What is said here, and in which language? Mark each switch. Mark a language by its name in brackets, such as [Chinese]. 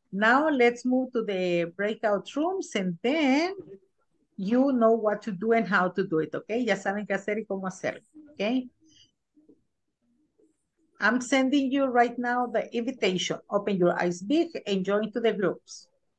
[English] Now let's move to the breakout rooms and then you know what to do and how to do it, okay? [Spanish] Ya saben qué hacer y cómo hacer, okay? [English] I'm sending you right now the invitation. Open your eyes big and join to the groups.